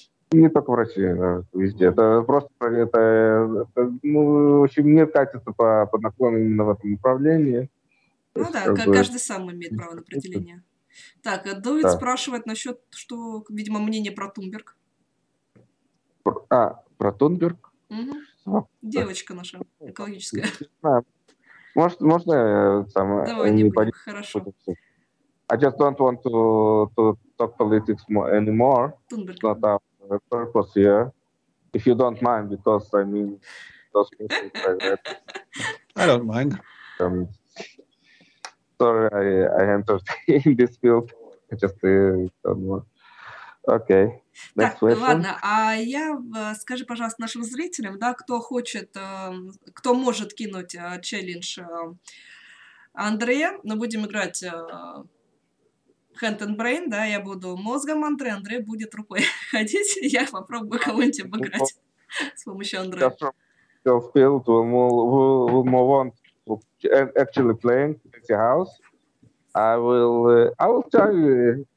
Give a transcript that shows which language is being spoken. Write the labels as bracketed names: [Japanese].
[Russian] Не только в России, да, везде. Это просто, это, ну, в общем, мне катится по наклону именно в этом направлении. Ну да, каждый сам имеет право на определение. Так, Довид спрашивает насчет, что, видимо, мнение про Тунберг. Про Тунберг? Девочка наша, экологическая. Можно я сам... Давай не будем, хорошо. [English] I just don't want to talk politics anymore. Тунберг. Not our purpose here. If you don't mind, because I mean... Those like that. I don't mind. Sorry, I entered in this field. I just don't want... Okay. [Russian] Так, ладно, а я скажи, пожалуйста, нашим зрителям, да, кто хочет, кто может кинуть челлендж Андрея, мы будем играть Hand and Brain, да, я буду мозгом Андрея, Андрей будет рукой ходить, я попробую кого-нибудь обыграть с помощью Андрея. [English] We'll move on to actually playing the house. I will tell you